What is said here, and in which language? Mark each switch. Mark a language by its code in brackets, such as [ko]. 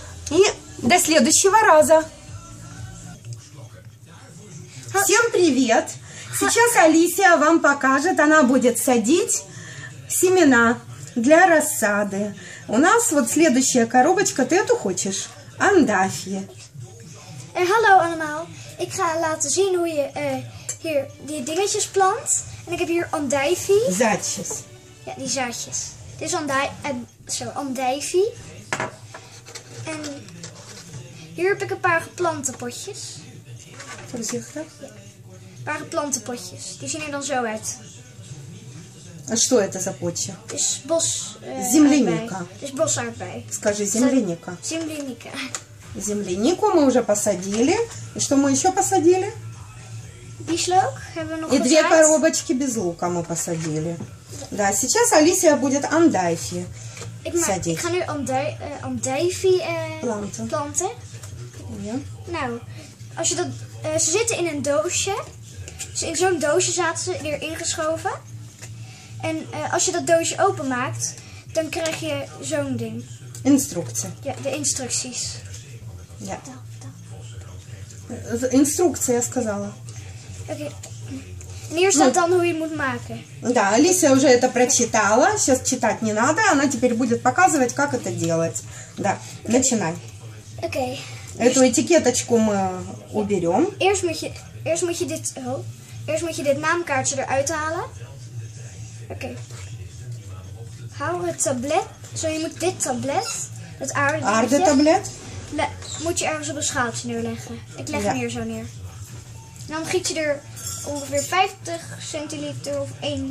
[ru] И до следующего раза. Всем привет. Сейчас Алисия вам покажет, она будет садить семена для рассады. У нас вот следующая коробочка, ты эту хочешь? Андафи. [nl] Hallo allemaal. Ik ga laten zien hoe je hier die dingetjes plant. En ik heb hier andijvie. Zaadjes. Ja, die zaadjes. Dit is andijvie. En hier heb ik een paar plantenpotjes. Voorzichtig. Ja. Een paar plantenpotjes. Die zien er dan zo uit. [ru] А что это за потча? Земляника. Скажи, земляника. Земляника. Землянику мы уже посадили. И что мы еще посадили? Бишлок. И две коробочки без лука мы посадили. Да, сейчас Алисия будет андайфи садить. Я хочу андайфи планты. Ну, если они сидят в доске, в таком доске они были вставлены. [nl] En als je dat doosje openmaakt, dan krijg je zo'n ding. Instructie. Ja, de instructies. [ru] Да. Инструкция, я сказала. Okay. [en] Ну, tell me with marker. [ru] Да, Алиса уже это прочитала. Сейчас читать не надо. Она теперь будет показывать, как это делать. Да, okay. Начинай. Okay. Эту этикеточку мы уберем. [nl] Eerst moet je dit, eerst moet je dit naamkaartje eruit halen. Oké. Hou het tablet. Zo, je moet dit tablet, het aardetablet, moet je ergens op een schaaltje neerleggen. Ik leg hem hier zo neer. Dan giet je er ongeveer 50 centiliter of 1